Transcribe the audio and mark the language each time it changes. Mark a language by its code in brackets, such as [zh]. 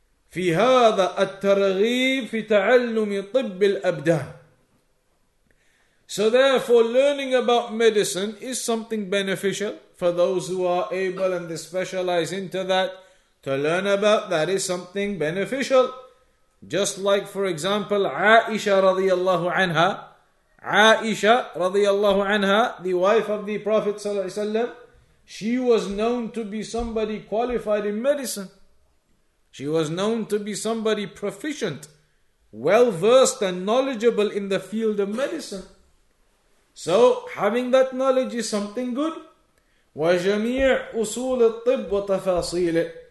[ar] في هذا الترغيب في تعلم طب الأبدان. [en] So therefore, learning about medicine is something beneficial for those who are able and they specialize into that. To learn about that is something beneficial. Just like, for example, Aisha radiallahu anha. Aisha radiallahu anha, the wife of the Prophet sallallahu alaihi wasallam. She was known to be somebody qualified in medicine. She was known to be somebody proficient, well-versed and knowledgeable in the field of medicine. So, having that knowledge is something good. [ar] وَجَمِيعُ أُصُولِ الطِّبْ وَتَفَاصِيلِ.